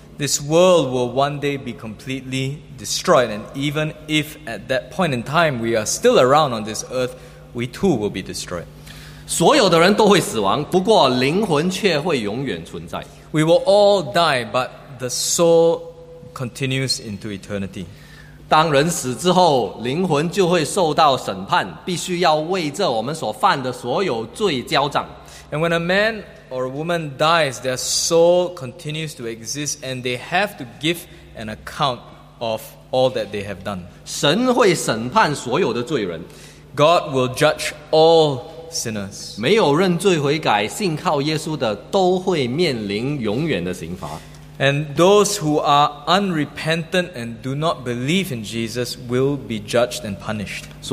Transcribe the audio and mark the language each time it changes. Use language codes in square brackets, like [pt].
[en] This world will one day be completely destroyed, and even if at that point in time we are still around on this earth, we too will be destroyed. [zh] 所有的人都会死亡，不过灵魂却会永远存在。 [en] We will all die, but the soul continues into eternity. [zh] 当人死之后，灵魂就会受到审判，必须要为着我们所犯的所有罪交账。 [en] And when a man or a woman dies, their soul continues to exist, and they have to give an account of all that they have done. [zh] 神会审判所有的罪人。 [en] God will judge all sinners. [zh] 没有认罪悔改、信靠耶稣的，都会面临永远的刑罚。 [en] And those who are unrepentant and do not believe in Jesus will be judged and punished.